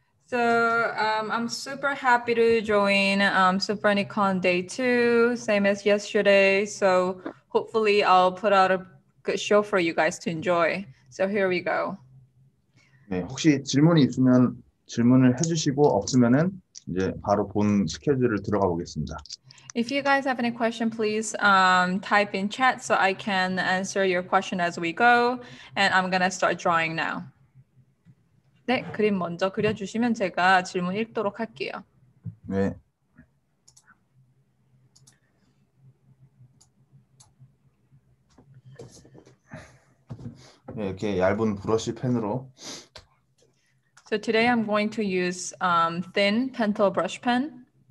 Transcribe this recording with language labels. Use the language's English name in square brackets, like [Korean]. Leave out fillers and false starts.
[English] So I'm super happy to join SuperNikon Day 2, same as yesterday. So hopefully I'll put out a good show for you guys to enjoy. So here we go. [Korean] 네, 혹시 질문이 있으면 질문을 해주시고 없으면은 이제 바로 본 스케줄을 들어가 보겠습니다. [English] If you guys have any question, please type in chat so I can answer your question as we go. And I'm gonna start drawing now. [Korean] 네, 그림 먼저 그려주시면 제가 질문 읽도록 할게요. 네. 네, 이렇게 얇은 브러쉬 펜으로. [English] So today I'm going to use thin pencil brush pen.